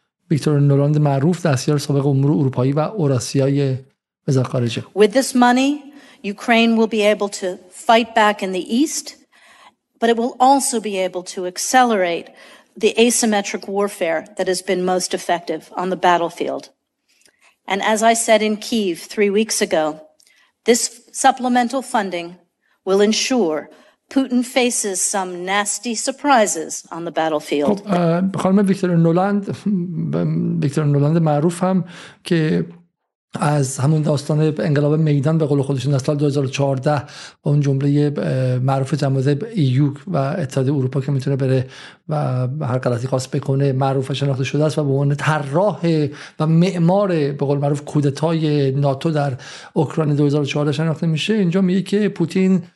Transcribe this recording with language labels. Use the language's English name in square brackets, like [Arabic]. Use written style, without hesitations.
[Persian] ویکتور نولاند معروف دستیار سابق امور اروپایی و اوراسیای وزارت خارجه. [English] With this money, Ukraine will be able to fight back in the east, but it will also be able to accelerate the asymmetric warfare that has been most effective on the battlefield. And as I said in Kyiv 3 weeks ago, this supplemental funding will ensure Putin faces some nasty surprises on the battlefield. [Persian] خانم ویکتور نولاند معروف هم که از همون داستان انقلاب میدان به قول خودشون در سال 2014 با اون جمله معروف جمعه EU و اتحاد اروپا که میتونه بره و هر غلطی خواست بکنه معروف شناخته شده است و به عنوان طراح و معمار به قول معروف کودتای ناتو در اوکراین 2014 شناخته میشه. اینجا میگه که پوتین